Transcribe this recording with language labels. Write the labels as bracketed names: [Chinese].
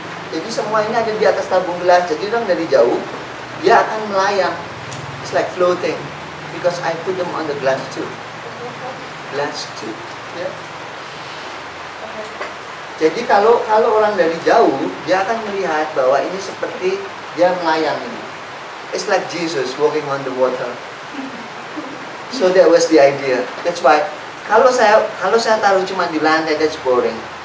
[Indonesian] Jadi semua ini ada di atas tabung gelas. Jadi orang dari jauh dia akan melayang. [English] It's like floating because I put them on the glass too. Glass too. Yeah. [Indonesian] Jadi kalau orang dari jauh dia akan melihat bahwa ini seperti dia melayang ini. [English] It's like Jesus walking on the water. So that was the idea. That's why [Indonesian] kalau saya taruh cuma di lantai, [English] that's boring.